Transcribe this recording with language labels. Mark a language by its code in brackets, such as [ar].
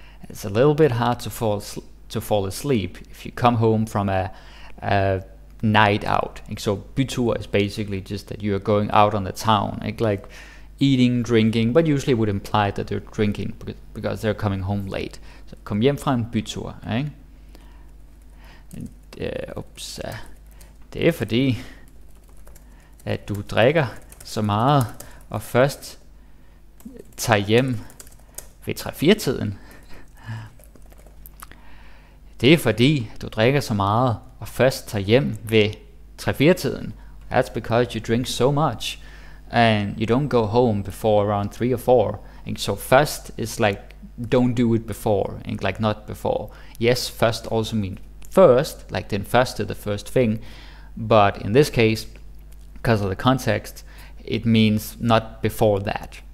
[en] It's a little bit hard to fall asleep if you come home from a night out. So bytur is basically just that you are going out on the town, like eating, drinking, but usually it would imply that they're drinking because they're coming home late. [da] So kom hjem fra en bytur, ikke? Det er fordi, at du drikker så meget og først tager hjem ved 3-4 tiden. Det er fordi, du drikker så meget og først tager hjem ved 3-4 tiden. [en] That's because you drink so much and you don't go home before around 3 or 4. And so first is like don't do it before, and like not before. Yes, first also means first, like then first is the first thing, but in this case, because of the context, it means not before that.